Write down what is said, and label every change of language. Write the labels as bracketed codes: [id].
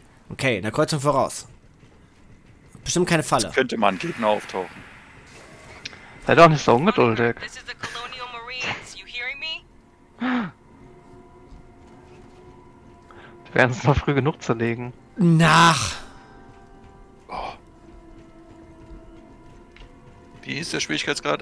[de] Okay, in der Kreuzung voraus. Bestimmt keine Falle. Jetzt könnte man Gegner auftauchen. Sei doch nicht so ungeduldig. [en] This is the Colonial Marines, you hearing me? [de] Wir werden es noch früh genug zerlegen. Nach! Oh. Wie ist der Schwierigkeitsgrad?